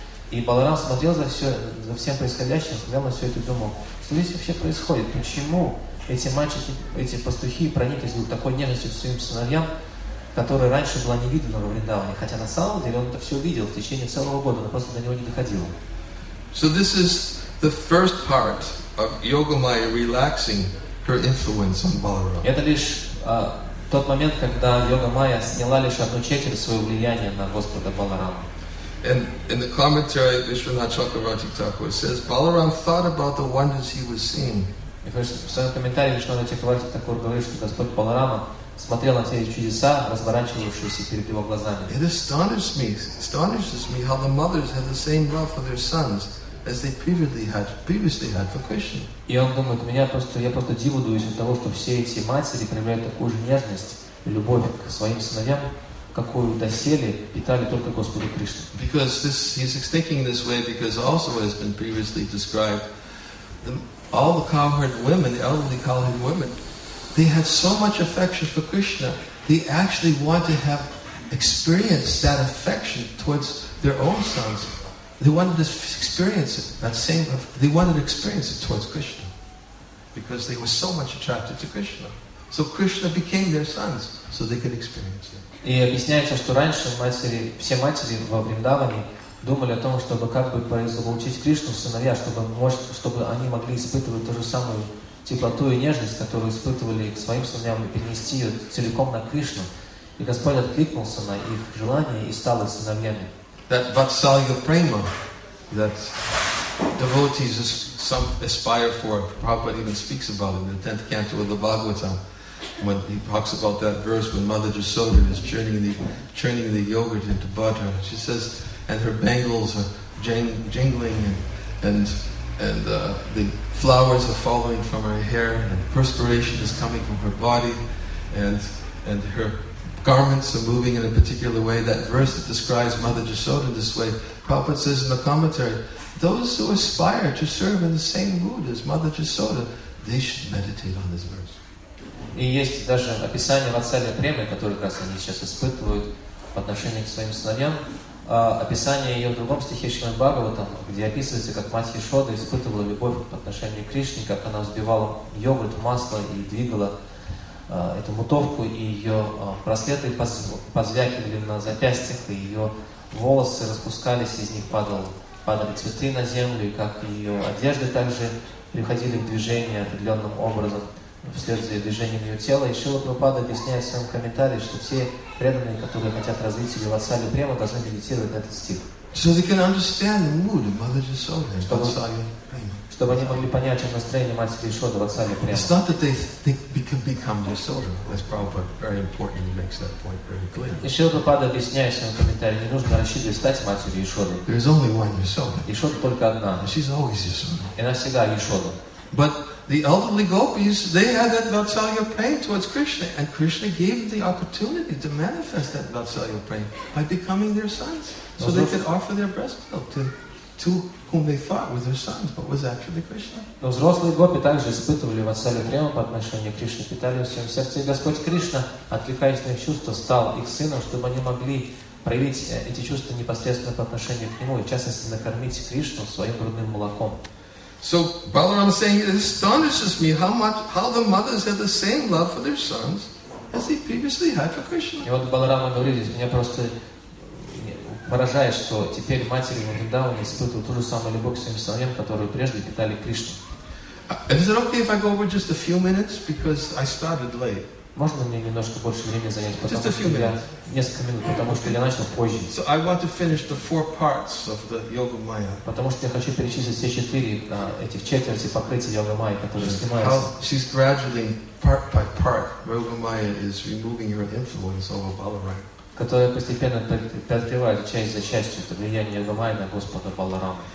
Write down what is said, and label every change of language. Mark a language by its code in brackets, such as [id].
[ru] И Баларам смотрел за всем происходящим, смотрел на все это и думал, что здесь вообще происходит, почему эти мальчики, эти пастухи прониклись вот такой нежностью к своим сыновьям, которая раньше была невидима во Вриндаване, хотя на самом деле он это все видел в течение целого года, но просто до него не доходило. [en] So this is the first part of Yogamaya relaxing her influence on Balaram. [ru] Это лишь тот момент, когда Йогамайя сняла лишь одну четверть своего влияния на Господа Баларама. [en] And in the commentary, Vishwanath Chakravartik Thakur says, Balaram thought about the wonders he was seeing. [ru] В своем комментарии Вишванат Чакраварти Такур говорит, что Господь Баларама смотрел на все эти чудеса, разворачивавшиеся перед его глазами. [en] It astonishes me how the mothers had the same love for their sons as they previously had for Krishna. [ru] И он думает, я просто диву даюсь от того, что все эти матери проявляют такую же нежность и любовь к своим сыновьям, какую доселе питали только Господу Кришне. [en] Because this, he's thinking this way because also has been previously described, all the cowherd women, the elderly cowherd women, they had so much affection for Krishna, they actually want to have experienced that affection towards their own sons. They wanted to experience it, towards Krishna. Because they were so much attracted to Krishna. So Krishna became their sons, so they could experience it. [ru] И объясняется, что раньше все матери во Вриндаване думали о том, чтобы как бы заполучить Кришну сыновья, чтобы они могли испытывать ту же самую теплоту и нежность, которую испытывали к своим сыновьям, и перенести ее целиком на Кришну. И Господь откликнулся на их желание и стал их сыновьями. [en] That vatsalya prema that devotees some aspire for, Prabhupada even speaks about it in the 10th canto of the Bhagavatam. when he talks about that verse when Mother Jasoda is churning the yogurt into butter. She says, and her bangles are jingling and the flowers are falling from her hair and perspiration is coming from her body and her garments are moving in a particular way. That verse that describes Mother Jasoda in this way, Prabhupada says in the commentary, those who aspire to serve in the same mood as Mother Jasoda, they should meditate on this verse. [ru] И есть даже описание вассальной премы, которую как раз они сейчас испытывают по отношению к своим сыновьям. Описание ее в другом стихе Шримад Бхагаватам, где описывается, как мать Яшода испытывала любовь по отношению к Кришне, как она взбивала йогурт, масло и двигала эту мутовку, и ее браслеты позвякивали на запястьях, и ее волосы распускались, из них падали цветы на землю, и как ее одежды также приходили в движение определенным образом. Вслед за движением ее тела, и Шрила Прабхупада объясняет в своем комментарии, что все преданные, которые хотят развить себя в Ацале Према, должны медитировать этот стих. [en] So they can understand the mood of Mother Jasoda, [ru] чтобы они могли понять настроение матери Яшоды в Ацале Према. [en] It's not that they think become Jasoda, that's Prabhupada very important, he makes that point very clear. [ru] И Шрила Прабхупада объясняет в своем комментарии, не нужно рассчитывать стать матерью Яшоды. [en] There's only one Jasoda. [ru] Яшода только одна. [en] And she's always Jasoda. [ru] И она всегда Яшода. [en] But the elderly gopis, they had that vatsalya prema towards Krishna, and Krishna gave them the opportunity to manifest that vatsalya prema by becoming their sons, so they could offer their breast milk to whom they thought were their sons, but was actually Krishna. [ru] Но взрослые гопи также испытывали ватсалю прему по отношению к Кришне, питали в своем сердце, и Господь Кришна, откликаясь на их чувства, стал их сыном, чтобы они могли проявить эти чувства непосредственно по отношению к Нему, и в частности накормить Кришну своим грудным молоком. [en] So Balaram is saying, it astonishes me how the mothers have the same love for their sons as they previously had for Krishna. [ru] И вот Баларама говорит, меня просто поражает, что теперь матери Вриндавана испытывают ту же самую любовь к своим сыновьям, которую прежде питали Кришну. [en] Is it okay if I go over just a few minutes because I started late? [ru] Можно мне немножко больше времени занять, потому что я начал позже. [en] So I want to finish the four parts of the Yoga Maya. [ru] Потому что я хочу перечислить все четыре этих четверти покрытия Йога Майи, которые снимаются. [en] She's gradually, part by part, Yoga Maya is removing her influence over Balarama. [ru] Которая постепенно приоткрывает часть за частью это влияние Йога Майи на Господа Баларама.